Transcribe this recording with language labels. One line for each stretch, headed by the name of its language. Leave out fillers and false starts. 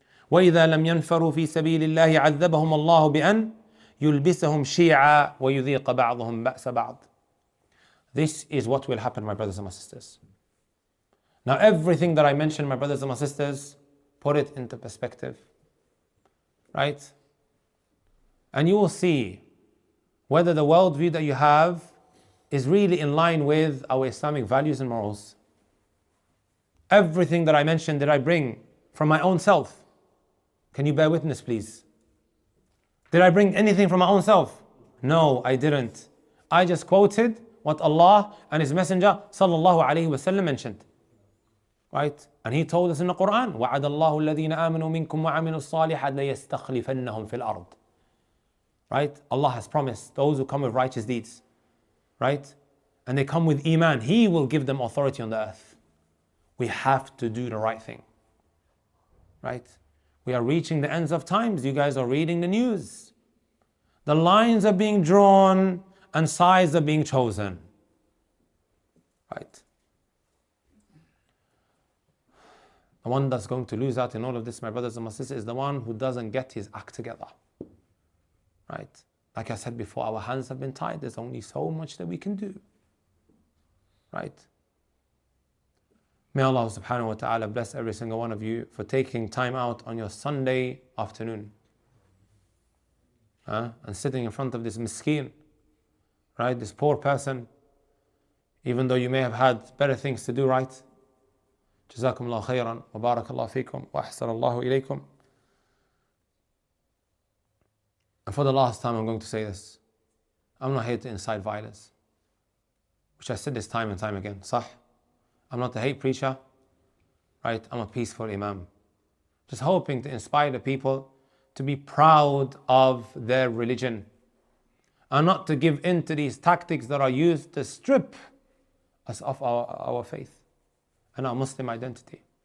Arabic: وَإِذَا لَمْ يَنْفَرُوا فِي سَبِيلِ اللَّهِ عَذَّبَهُمُ اللَّهُ بِأَنْ يُلْبِسَهُمْ شِيعًا وَيُذِيقَ بَعْضُهُمْ بَأْسَ بَعْضٍ
English: This is what will happen, my brothers and my sisters. Now everything that I mentioned, my brothers and my sisters, put it into perspective. Right? And you will see whether the worldview that you have is really in line with our Islamic values and morals. Everything that I mentioned that I bring from my own self. Can you bear witness, please? Did I bring anything from my own self? No, I didn't. I just quoted what Allah and His Messenger sallallahu alayhi wa sallam mentioned. Right?
Arabic: And He told us in the Quran, وَعَدَ اللَّهُ الَّذِينَ آمَنُوا مِنْكُمْ وَعَمِلُوا الصَّالِحَةَ لَيَسْتَخْلِفَنَّهُمْ فِي الْأَرْضِ
English: Right? Allah has promised those who come with righteous deeds, right? And they come with Iman, He will give them authority on the earth. We have to do the right thing. Right? We are reaching the ends of times. You guys are reading the news. The lines are being drawn and sides are being chosen. Right? The one that's going to lose out in all of this, my brothers and my sisters, is the one who doesn't get his act together. Right? Like I said before, our hands have been tied. There's only so much that we can do. Right? May Allah subhanahu wa ta'ala bless every single one of you for taking time out on your Sunday afternoon. And sitting in front of this miskeen, right? This poor person, even though you may have had better things to do, right?
Arabic: جزاكم الله خيرا وبارك الله فيكم وأحسن الله إليكم.
English: And for the last time, I'm going to say this. I'm not here to incite violence, which I said this time and time again.
Arabic: صح.
English: I'm not a hate preacher, right? I'm a peaceful imam. Just hoping to inspire the people to be proud of their religion and not to give in to these tactics that are used to strip us of our faith and our Muslim identity.